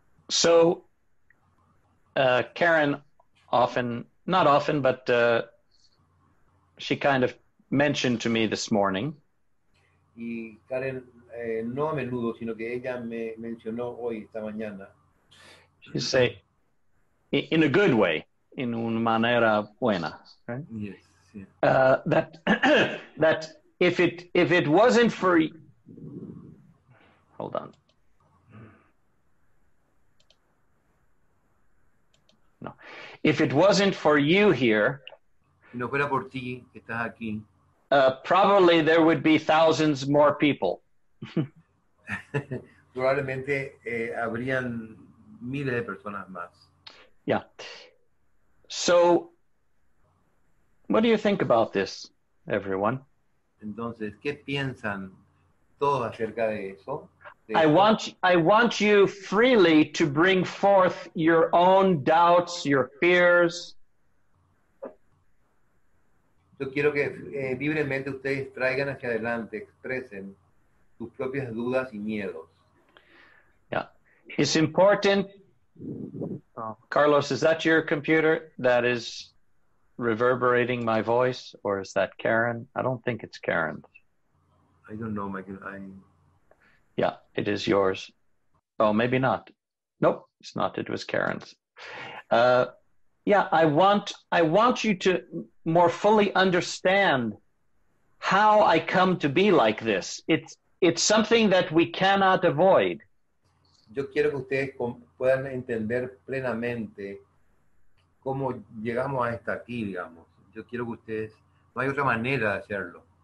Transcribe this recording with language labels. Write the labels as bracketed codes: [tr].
[en] So, Karen often, not often, but she kind of mentioned to me this morning. [es] Y Karen, no a menudo, sino que ella me mencionó hoy, esta mañana. [en] She say, in a good way, [es] in una manera buena, [en] right? Yes. That that if it wasn't for, hold on. No, if it wasn't for you here. [es] Si no fuera por ti, que estás aquí. [en] Probably there would be thousands more people. [es] Probablemente habrían miles de personas más. [en] Yeah. So, What do you think about this, everyone? [es] Entonces, ¿qué piensan todos acerca de eso? [en] I want you freely to bring forth your own doubts, your fears. [es] Yo quiero que libremente ustedes traigan hacia adelante, expresen sus propias dudas y miedos. [en] Yeah. It's important. Carlos, is that your computer that is reverberating my voice, or is that Karen? I don't think it's Karen. I don't know, Michael. Yeah, it is yours. Oh, maybe not. Nope, it's not. It was Karen's. I want you to more fully understand how I come to be like this. It's something that we cannot avoid. [es] Yo quiero que ustedes puedan entender plenamente cómo llegamos a estar aquí, digamos. Yo quiero que ustedes, no hay otra manera de hacerlo.